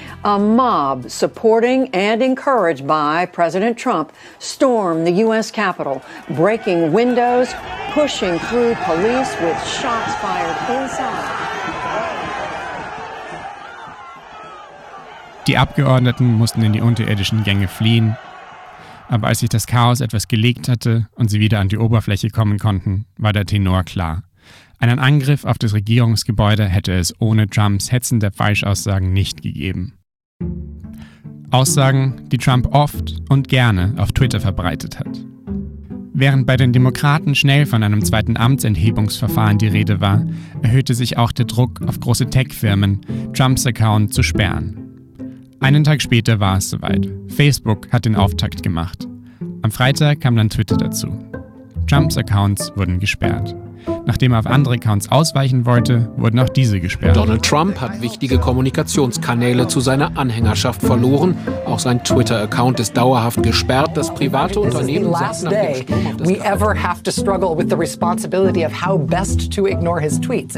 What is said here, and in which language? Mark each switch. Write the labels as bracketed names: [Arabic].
[English] A mob supporting and encouraged by President Trump stormed the U.S. Capitol, breaking windows, pushing through police with shots fired inside. [German] Die Abgeordneten mussten in die unterirdischen Gänge fliehen, aber als sich das Chaos etwas gelegt hatte und sie wieder an die Oberfläche kommen konnten, war der Tenor klar. Einen Angriff auf das Regierungsgebäude hätte es ohne Trumps hetzende Falschaussagen nicht gegeben. Aussagen, die Trump oft und gerne auf Twitter verbreitet hat. Während bei den Demokraten schnell von einem zweiten Amtsenthebungsverfahren die Rede war, erhöhte sich auch der Druck auf große Tech-Firmen, Trumps Account zu sperren. Einen Tag später war es soweit. Facebook hat den Auftakt gemacht. Am Freitag kam dann Twitter dazu. Trumps Accounts wurden gesperrt. Nachdem er auf andere Accounts ausweichen wollte, wurden auch diese gesperrt. Donald Trump hat wichtige Kommunikationskanäle zu seiner Anhängerschaft verloren. Auch sein Twitter-Account ist dauerhaft gesperrt. Das private Unternehmen sagt [English] we ever have to struggle with the responsibility of how best to ignore his tweets.